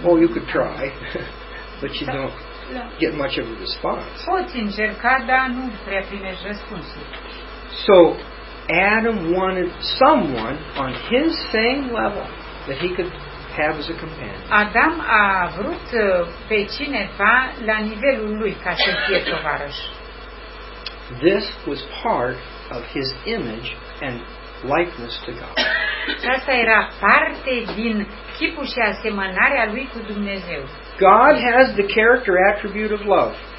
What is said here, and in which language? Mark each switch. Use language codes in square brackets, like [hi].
[en] Well, you could try, but you don't get much of a response. [ro] Poți încerca, dar nu prea primești răspunsul. [en] So Adam wanted someone on his same level that he could have as a companion. [ro] Adam a vrut pe cineva la nivelul lui ca să fie tovarăș. [en] This was part of his image and likeness to God. [ro] Asta era parte din chipul și asemănarea lui cu Dumnezeu. [en] God has the character attribute of love.